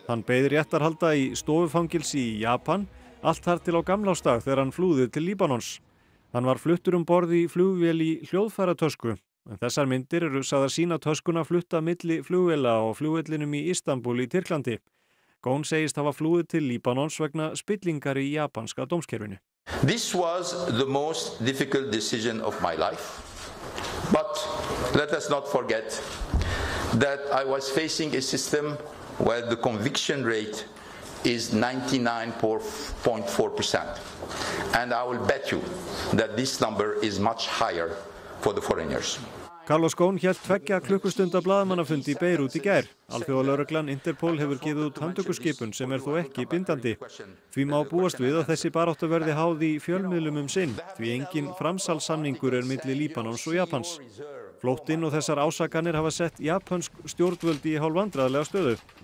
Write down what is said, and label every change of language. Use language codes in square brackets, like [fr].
[is] Hann beið réttarhalda í stofufangelsi í Japan, allt þar til á gamlársdag þegar hann flúði til Líbanons. Hann var fluttur borð í flugvél í hljóðfæratösku. En þessar myndir eru sagðar sína töskuna flutta milli flugvéla og flugvellinum í Istanbul í Tyrklandi. Ghosn segist hafa flúið til Líbanons vegna spillingar í japanska dómskerfinu. [en] This was the most difficult decision of my life. But let us not forget that I was facing a system where the conviction rate is 99.4%. And I will bet you that this number is much higher for the foreigners. [is] Carlos Ghosn hélt 2 klukkustunda blaðamannafund í Beirut í gær. Alþjóðalögreglan Interpol hefur gefið út handtökuskipun sem er þó ekki bindandi. Því má búast við að þessi baráttu verði háð í fjölmiðlum sinn, því engin framsalssamningur er milli Líbanons og Japans. Flóttinn og þessar ásakanir hafa sett japönsk stjórnvöld í hálfvandræðlega stöðu.